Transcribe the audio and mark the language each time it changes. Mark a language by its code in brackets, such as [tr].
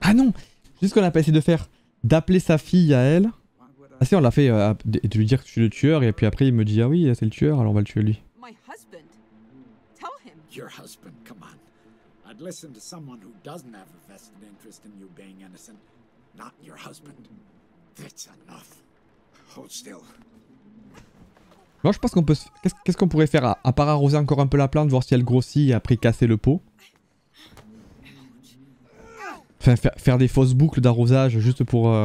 [fr] Ah non, juste qu'on a pas essayé de faire d'appeler sa fille à elle. Ah si, on l'a fait de lui dire que je suis le tueur et puis après il me dit ah oui c'est le tueur alors on va le tuer lui. [en] My husband. Tell him. Your husband, come on. I'd listen to someone who doesn't have a vested interest in you being innocent, not your husband. That's enough. Hold still. [fr] Moi je pense qu'on peut qu'est-ce qu'on pourrait faire à part arroser encore un peu la plante, voir si elle grossit et après casser le pot. Enfin faire des fausses boucles d'arrosage juste pour.